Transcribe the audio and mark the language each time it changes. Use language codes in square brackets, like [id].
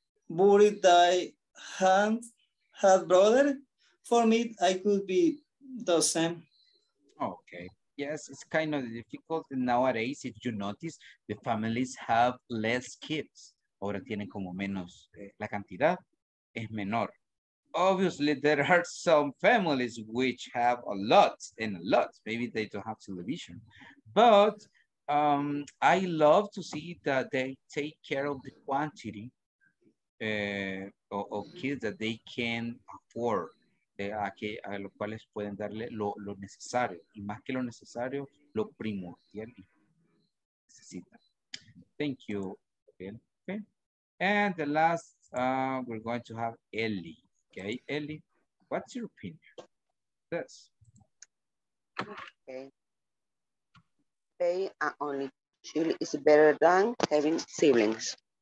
[en] Would it die hand had brother? For me, I could be the same. Okay. Yes, it's kind of difficult nowadays. If you notice, the families have less kids. [es] Ahora tienen como menos, la cantidad es menor. [en] Obviously, there are some families which have a lot and a lot. Maybe they don't have television. But I love to see that they take care of the quantity of kids that they can afford. [es] A los cuales pueden darle lo necesario, y más que lo necesario, lo primordial necesita. [en] Thank you. Okay. And the last, we're going to have Ellie. Okay, Ellie, what's your opinion? Yes. Okay. Being an only child is better than having siblings.